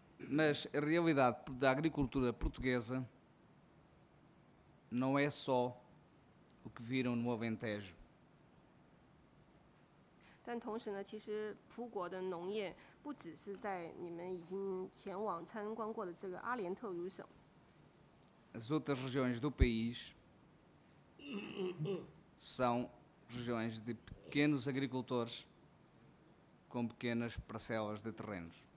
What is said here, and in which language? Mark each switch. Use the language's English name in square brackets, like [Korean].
[Portuguese] Mas a realidade da agricultura portuguesa não é só o que viram no Alentejo. [Chinese] 但同时呢，其实葡国的农业不只是在你们已经前往参观过的这个阿联特鲁省。 [Portuguese] As outras regiões do país são regiões de pequenos agricultores com pequenas parcelas de terrenos.